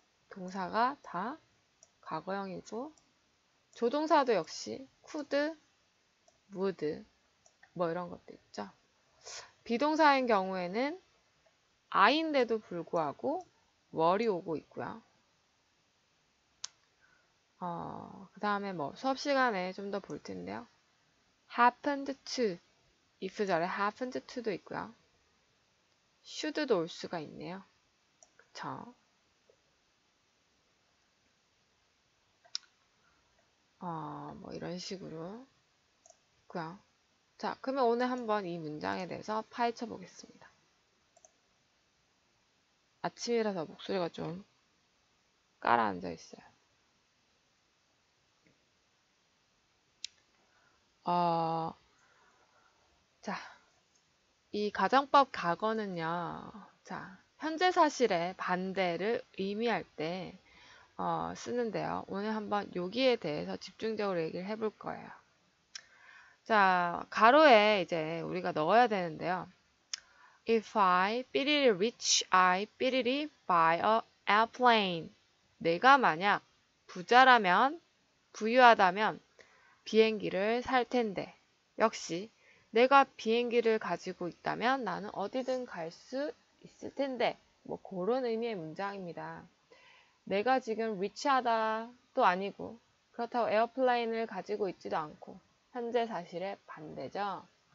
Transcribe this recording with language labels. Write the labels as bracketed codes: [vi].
[ko] 동사가 다 과거형이고, 조동사도 역시 could, would, 뭐 이런 것도 있죠. 비동사인 경우에는 I인데도 불구하고 were이 오고 있고요. 그 다음에 뭐 수업 시간에 좀더볼 텐데요. happened to, if 절에 happened to도 있고요. should도 올 수가 있네요. 그쵸? 뭐 이런 식으로 있고요. 자, 그러면 오늘 한번 이 문장에 대해서 파헤쳐 보겠습니다. 아침이라서 목소리가 좀 가라앉아 있어요. 자, 이 가정법 과거는요, 자, 현재 사실의 반대를 의미할 때 쓰는데요. 오늘 한번 여기에 대해서 집중적으로 얘기를 해볼 거예요. 자, 가로에 이제 우리가 넣어야 되는데요. [en] If I, 삐리리 rich, I, 삐리리 buy a airplane. [ko] 내가 만약 부자라면, 부유하다면, 비행기를 살 텐데. 역시, 내가 비행기를 가지고 있다면 나는 어디든 갈수 있을 텐데. 뭐, 그런 의미의 문장입니다. 내가 지금 리치하다도 아니고, 그렇다고 에어플레인을 가지고 있지도 않고, 현재 사실의 반대죠.